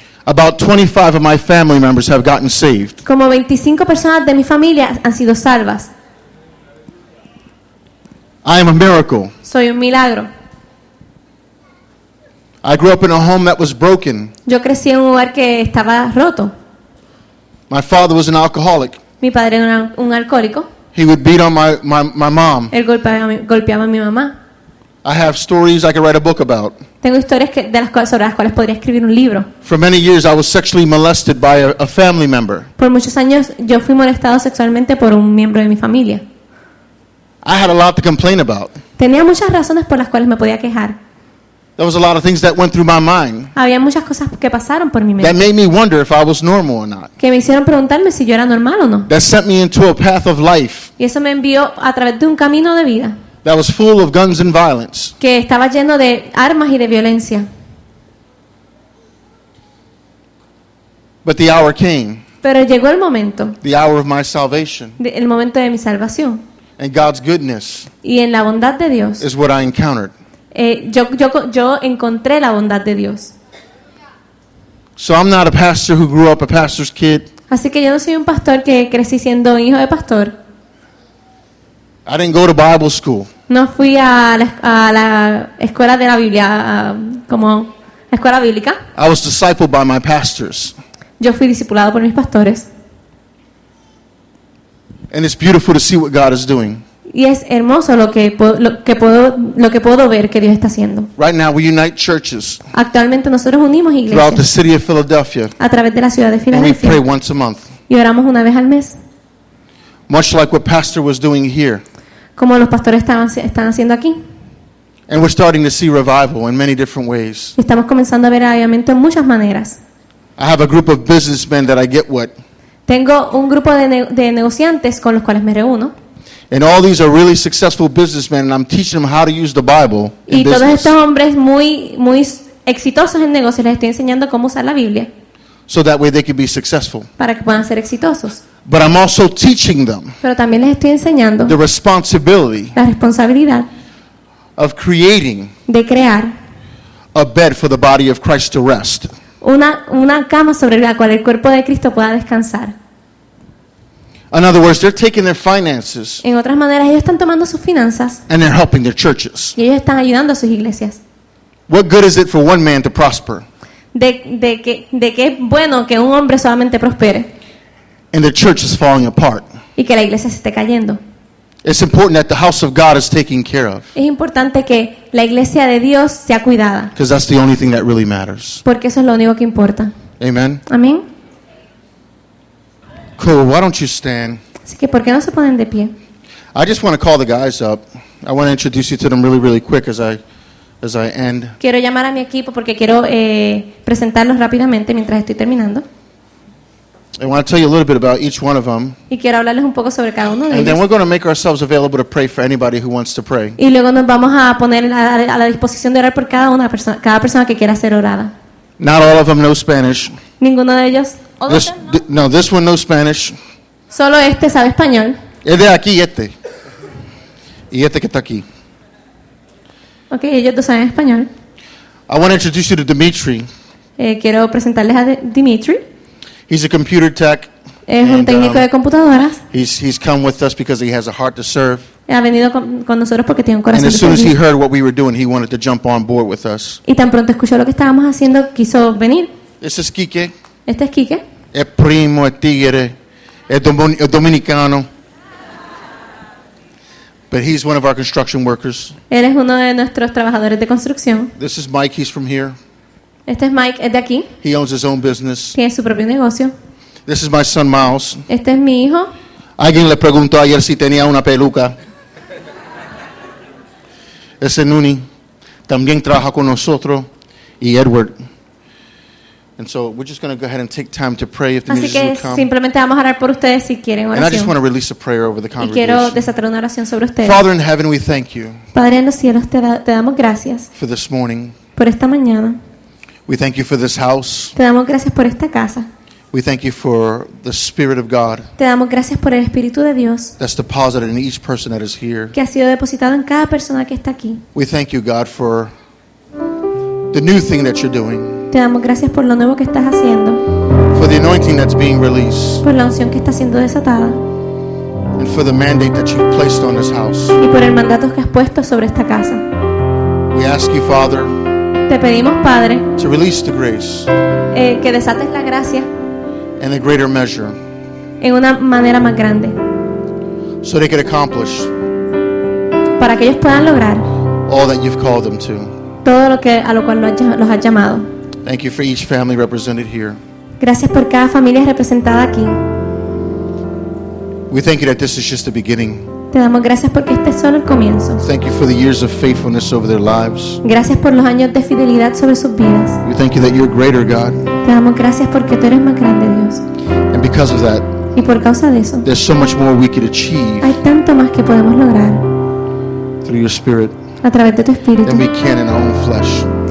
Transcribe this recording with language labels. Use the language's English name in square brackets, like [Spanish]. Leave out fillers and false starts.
[English] About 25 of my family members have gotten saved. [Spanish] Como 25 personas de mi familia han sido salvas. [English] I am a miracle. [Spanish] Soy un milagro. [English] I grew up in a home that was broken. [Spanish] Yo crecí en un hogar que estaba roto. [English] My father was an alcoholic. [Spanish] Mi padre era un alcohólico. [English] He would beat on my mom. [Spanish] Él golpeaba a mi mamá. [English] I have stories I could write a book about. [Spanish] Tengo historias sobre las cuales podría escribir un libro. [English] For many years I was sexually molested by a family member. [Spanish] Por muchos años yo fui molestado sexualmente por un miembro de mi familia. [English] I had a lot to complain about. [Spanish] Tenía muchas razones por las cuales me podía quejar. [English] There was a lot of things that went through my mind. [Spanish] Había muchas cosas que pasaron por mi mente. [English] That made me wonder if I was normal or not. [Spanish] Que me hicieron preguntarme si yo era normal o no. [English] That sent me into a path of life. [Spanish] Y eso me envió a través de un camino de vida. [English] That was full of guns and violence. [Spanish] Que estaba lleno de armas y de violencia. [English] But the hour came. [Spanish] Pero llegó el momento. [English] The hour of my salvation. [Spanish] El momento de mi salvación. [English] And God's goodness. [Spanish] Y en la bondad de Dios. [English] Is what I encountered. [Spanish] Yo encontré la bondad de Dios. [English] So I'm not a pastor who grew up a pastor's kid. [Spanish] Así que yo no soy un pastor que crecí siendo un hijo de pastor. [English] I didn't go to Bible school. [Spanish] No fui a la escuela de la Biblia, como escuela bíblica. [English] I was discipled by my pastors. [Spanish] Yo fui discipulado por mis pastores. [English] And it's beautiful to see what God is doing. [Spanish] Y es hermoso lo que puedo ver que Dios está haciendo. [English] Right now we unite churches. [Spanish] Actualmente nosotros unimos iglesias. [English] Throughout the city of Philadelphia. [Spanish] A través de la ciudad de Filadelfia. [English] And we pray once a month. [Spanish] Y oramos una vez al mes. [English] Much like what Pastor was doing here. [Spanish] Como los pastores están haciendo aquí. [English] And we're starting to see revival in many different ways. [Spanish] Estamos comenzando a ver avivamiento en muchas maneras. [English] I have a group of businessmen that I get with. [Spanish] Tengo un grupo de negociantes con los cuales me reúno. [English] And all these are really successful businessmen, and I'm teaching them how to use the Bible in business. [Spanish] Y todos estos hombres muy muy exitosos en negocios les estoy enseñando cómo usar la Biblia. [English] So that way they can be successful. [Spanish] Para que puedan ser exitosos. [English] But I'm also teaching them. [Spanish] Pero también les estoy enseñando [English] the responsibility. [Spanish] La responsabilidad [English] of creating. [Spanish] De crear [English] a bed for the body of Christ to rest. [Spanish] Una cama sobre la cual el cuerpo de Cristo pueda descansar. [English] In other words, they're taking their finances. [Spanish] En otras maneras, ellos están tomando sus finanzas. [English] And they're helping their churches. [Spanish] Y ellos están ayudando a sus iglesias. [English] What good is it for one man to prosper? [Spanish] De qué es bueno que un hombre solamente prospere. [English] And the church is falling apart. [Spanish] Y que la iglesia se esté cayendo. [English] It's important that the house of God is taken care of. [Spanish] Es importante que la iglesia de Dios sea cuidada. [English] Because that's the only thing that really matters. [Spanish] Porque eso es lo único que importa. [English] Amen. [Spanish] Amén. [English] Cool. Why don't you stand? [Spanish] Así que, ¿por qué no se ponen de pie? [English] I just want to call the guys up. I want to introduce you to them really, really quick as I end. [Spanish] Quiero llamar a mi equipo porque quiero presentarlos rápidamente mientras estoy terminando. [English] I want to tell you a little bit about each one of them. [Spanish] Y quiero hablarles un poco sobre cada uno de ellos. [English] And then we're going to make ourselves available to pray for anybody who wants to pray. [Spanish] Y luego nos vamos a poner a la disposición de orar por cada persona que quiera ser orada. [English] Not all of them know Spanish. [Spanish] Ninguno de ellos. [English] This one knows Spanish. [Spanish] Solo este sabe español. Es de aquí, este. Y este que está aquí. Okay, ellos dos saben español. [English] I want to introduce you to Dimitri. [Spanish] Quiero presentarles a Dimitri. [English] He's a computer tech. [Spanish] Es un técnico de computadoras. [English] He's come with us because he has a heart to serve. [Spanish] Ha venido con nosotros porque tiene un corazón. [English] And as soon as he heard what we were doing, he wanted to jump on board with us. [Spanish] Y tan pronto escuchó lo que estábamos haciendo, quiso venir. Este es Quique. Este es Quique. Es primo, es tigre, es dominicano. [English] But he's one of our construction workers. [Spanish] Él es uno de nuestros trabajadores de construcción. [English] This is Mike. He's from here. [Spanish] Este es Mike, es de aquí. [English] He owns his own business. [Spanish] Tiene su propio negocio. [English] This is my son Miles. [Spanish] Este es mi hijo. Alguien le preguntó ayer si tenía una peluca. Ese Nuni también trabaja con nosotros. Y Edward. [English] And so we're just going to go ahead and take time to pray if the musicians will come. [Spanish] Simplemente vamos a orar por ustedes si quieren oración. [English] And I just want to release a prayer over the congregation. [Spanish] Y quiero desatar una oración sobre ustedes. [English] Father in heaven, we thank you. [Spanish] Padre en los cielos, te damos gracias. [English] For this morning. [Spanish] Por esta mañana. [English] We thank you for this house. [Spanish] Te damos gracias por esta casa. [English] We thank you for the Spirit of God. [Spanish] Te damos gracias por el Espíritu de Dios. [English] That's deposited in each person that is here. [Spanish] Que ha sido depositado en cada persona que está aquí. [English] We thank you, God, for the new thing that you're doing. [Spanish] Te damos gracias por lo nuevo que estás haciendo. [English] For the anointing that's being released. [Spanish] Por la unción que está siendo desatada. [English] And for the mandate that you've placed on this house. [Spanish] Y por el mandato que has puesto sobre esta casa. [English] We ask you, Father, [Spanish] te pedimos, Padre, [English] to release the grace, [Spanish] que desates la gracia, [English] in a greater measure, [Spanish] en una manera más grande, [English] so they can accomplish, [Spanish] para que ellos puedan lograr, [English] all that you've called them to, [Spanish] todo lo que a lo cual los has llamado. [English] Thank you for each family represented here. [Spanish] Gracias por cada familia representada aquí. [English] We thank you that this is just the beginning. [Spanish] Te damos gracias porque este es solo el comienzo. [English] Thank you for the years of faithfulness over their lives. [Spanish] Gracias por los años de fidelidad sobre sus vidas. [English] We thank you that you're greater, God. [Spanish] Te damos gracias porque tú eres más grande, Dios. [English] And because of that, [Spanish] y por causa de eso, [English] there's so much more we could achieve. [Spanish] Hay tanto más que podemos lograr. [English] Through your spirit. [Spanish] A través de tu espíritu. [English] Than we can in our own flesh.